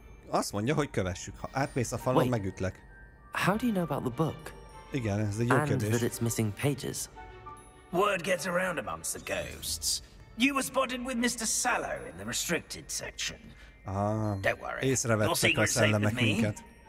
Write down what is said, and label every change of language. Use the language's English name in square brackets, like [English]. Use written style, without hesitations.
[Hungarian] Azt mondja, hogy kövessük. Ha átmész a falon, megütlek. [English] How do you know about the book? [Hungarian] Igen, ez egy jó kérdés. [English] And that it's missing pages. Word gets around amongst the ghosts. You were spotted with Mr. Sallow in the restricted section. Don't worry. [Hungarian] Észrevettek a szellemek minket.